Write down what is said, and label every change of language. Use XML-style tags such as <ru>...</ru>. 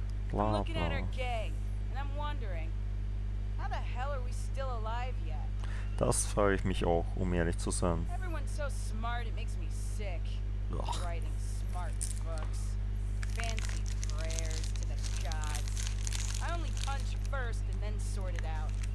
<en>Bla, bla. I'm looking at her gang, and I'm wondering, how the hell are we still alive yet?</en> <de>Das frage ich mich auch, um ehrlich zu sein.</de> <en>Everyone's so smart, it makes me sick. Ugh. Writing smart books, fancy prayers to the gods. I only punch first and then sort it out.</en>